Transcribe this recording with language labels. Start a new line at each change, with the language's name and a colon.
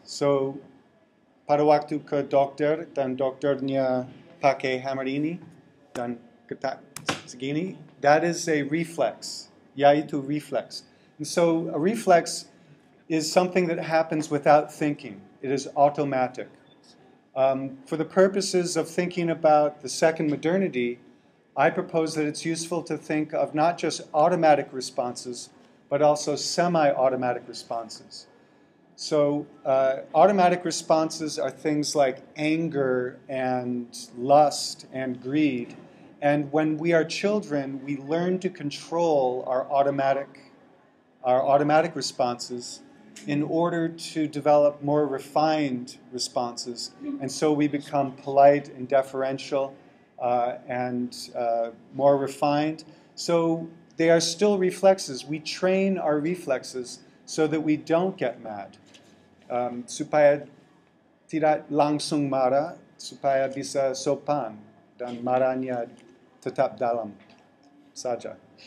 Indonesian: So pada waktu ke dokter dan dokternya pakai hammer ini dan ketak segini,
English: that is a reflex,
Indonesian: yaitu reflex.
English: And so a reflex is something that happens without thinking. It is automatic. For the purposes of thinking about the second modernity, I propose that it's useful to think of not just automatic responses, but also semi-automatic responses. So automatic responses are things like anger and lust and greed. And when we are children, we learn to control our automatic responses in order to develop more refined responses. And so we become polite and deferential more refined. So they are still reflexes. We train our reflexes so that we don't get mad.
Indonesian: Supaya tidak langsung marah, supaya bisa sopan dan marahnya tetap dalam saja.